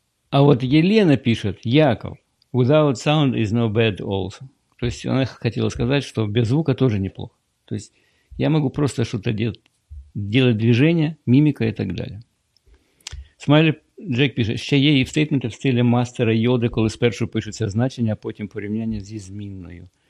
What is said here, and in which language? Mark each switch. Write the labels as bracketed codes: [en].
[uk] А от Єлена пише, Яков, [en] without sound is no bad also. [uk] Тобто вона хотіла сказати, що без звука теж неплохо. Тобто я можу просто щось робити. [ru] Делать движения, мимика и так далее. Смайли Джек пишет, [uk] ще є [en] if statement [uk] в стилі мастера Йоди, коли спершу пишеться значення, а потім порівняння зі змінною.